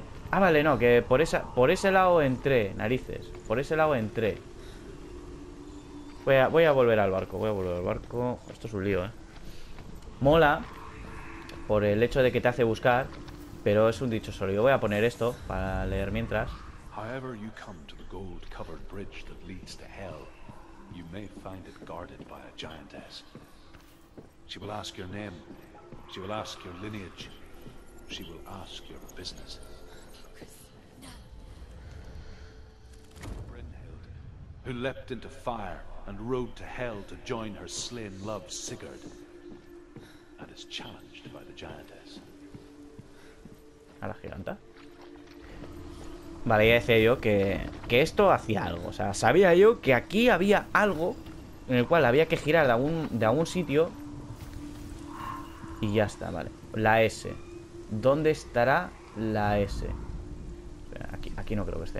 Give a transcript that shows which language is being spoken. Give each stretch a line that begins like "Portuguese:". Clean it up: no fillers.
Spanish: Ah, vale, no, que por esa, por ese lado entré, narices. Por ese lado entré. Voy a volver al barco, voy a volver al barco. Esto es un lío, ¿eh? Mola por el hecho de que te hace buscar, pero es un dicho solo. Yo voy a poner esto para leer mientras.
English: However you come to the gold-covered bridge that leads to hell, you may find it guarded by a giantess. She will ask your name. She will ask your lineage. She will ask your business. Brynhild, who leapt into fire and rode to hell to join her slain love Sigurd, and is challenged by the giantess.
Spanish: ¿A la giganta? Vale, ya decía yo que esto hacía algo. O sea, sabía yo que aquí había algo en el cual había que girar de algún sitio. Y ya está, vale. La S. ¿Dónde estará la S? Aquí no creo que esté.